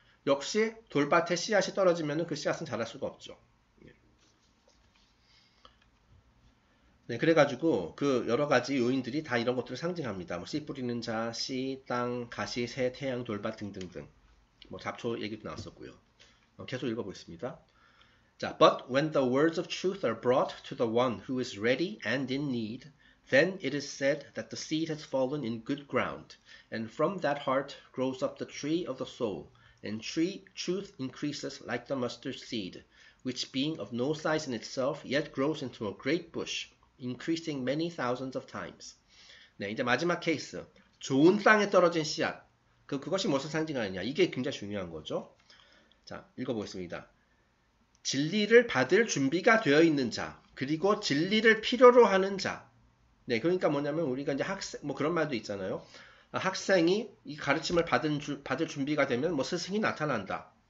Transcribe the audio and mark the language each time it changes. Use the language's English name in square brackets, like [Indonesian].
[Korean] 역시 돌밭에 씨앗이 떨어지면 그 씨앗은 자랄 수가 없죠. 네, 그래가지고 그 여러 가지 요인들이 다 이런 것들을 상징합니다. 뭐씨 뿌리는 자, 씨, 땅, 가시, 새, 태양, 돌밭 등등등. 뭐 잡초 얘기도 나왔었고요. 계속 읽어보겠습니다. [English] 자, But when the words of truth are brought to the one who is ready and in need, then it is said that the seed has fallen in good ground, and from that heart grows up the tree of the soul, and truth increases like the mustard seed, which being of no size in itself, yet grows into a great bush. Increasing many thousands of times. [Korean] 네, 이제 마지막 케이스. 좋은 땅에 떨어진 씨앗. 그것이 무엇을 상징하느냐. 이게 굉장히 중요한 거죠. 자, 읽어보겠습니다. 진리를 받을 준비가 되어 있는 자. 그리고 진리를 필요로 하는 자. 네, 그러니까 뭐냐면 우리가 이제 학생, 뭐 그런 말도 있잖아요. 학생이 이 가르침을 받을 준비가 되면 뭐 스승이 나타난다.